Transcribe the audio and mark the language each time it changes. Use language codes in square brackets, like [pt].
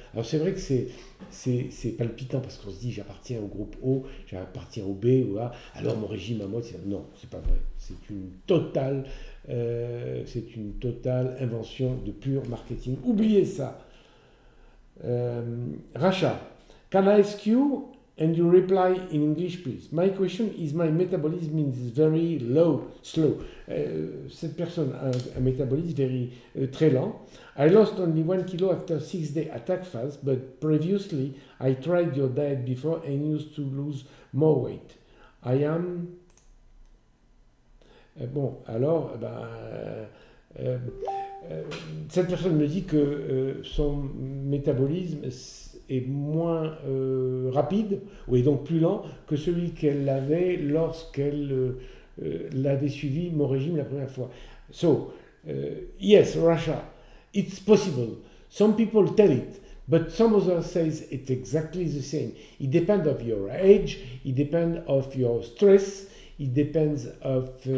[fr] Alors c'est vrai que c'est palpitant parce qu'on se dit j'appartiens au groupe O, j'appartiens au B ou A, alors mon régime à moi, c'est... Non, c'est pas vrai. C'est une totale invention de pur marketing. Oubliez ça. Racha, [en] Can I ask you, and you reply in English, please. My question is, my metabolism is very low, slow. [fr] Cette personne a un métabolisme very, très lent. [en] I lost only 1 kilo after 6 day attack fast, but previously I tried your diet before and used to lose more weight. I am... [fr] bon, alors, ben, cette personne me dit que son métabolisme est moins rapide, ou est donc plus lent, que celui qu'elle avait lorsqu'elle l'avait suivi mon régime la première fois. [en] So, yes, Russia, it's possible. Some people tell it, but some others say it's exactly the same. It depends of your age, it depends of your stress, it depends of...